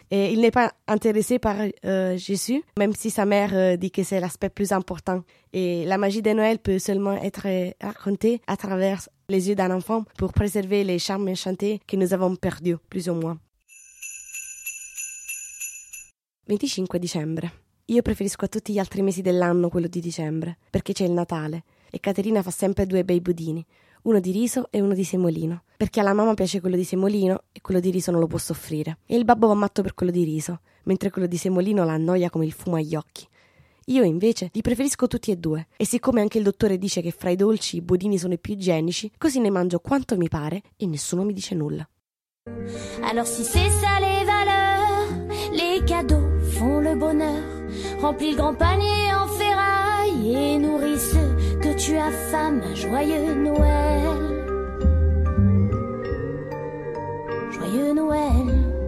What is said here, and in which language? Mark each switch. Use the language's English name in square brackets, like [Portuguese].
[French] Et il n'est pas intéressé par Jésus, même si sa mère dit que c'est l'aspect plus important. Et la magie de Noël peut seulement être racontée à travers les yeux d'un enfant pour préserver les charmes enchantés que nous avons perdus, plus ou moins. [Italian] 25 dicembre. Io preferisco a tutti gli altri mesi dell'anno quello di dicembre, perché c'è il Natale e Caterina fa sempre due bei budini, uno di riso e uno di semolino, perché alla mamma piace quello di semolino e quello di riso non lo può soffrire. E il babbo va matto per quello di riso, mentre quello di semolino la annoia come il fumo agli occhi. Io invece li preferisco tutti e due, e siccome anche il dottore dice che fra i dolci i budini sono i più igienici, così ne mangio quanto mi pare e nessuno mi dice nulla. [French] Alors si c'est ça les valeurs, les cadeaux font le bonheur. Remplis le grand panier en ferraille et nourris ceux que tu affames. Joyeux Noël, joyeux Noël.